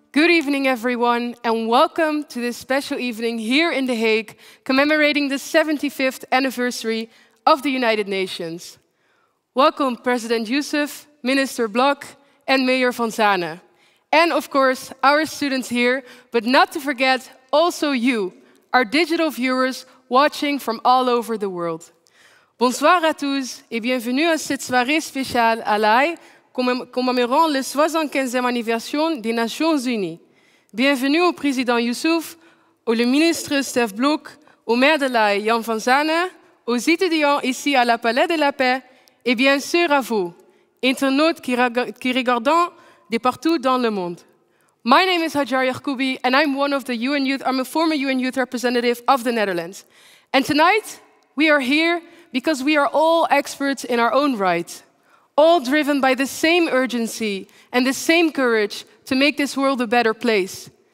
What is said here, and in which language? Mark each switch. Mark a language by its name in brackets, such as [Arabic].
[English] evening, everyone, and welcome to this special evening here in The Hague, commemorating the 75th anniversary of the United Nations. Welcome, President Yusuf, Minister Blok, and Meijer van Zanen. And of course, our students here, but not to forget, also you, our digital viewers watching from all over the world. [French] Bonsoir à tous et bienvenue à cette soirée spéciale à La Haye, commémorant le 75e anniversaire des Nations Unies. Bienvenue au président Yusuf, au le ministre Stef Blok, au maire de La Haye, Jan van Zanen, aux étudiants ici à la Palais de la Paix, et bien sûr à vous, internautes qui regardent de partout dans le monde. [English] My name is Hajar Yagkoubi, and I'm one of the UN Youth. I'm a former UN Youth representative of the Netherlands. And tonight we are here because we are all experts in our own right, all driven by the same urgency and the same courage to make this world a better place.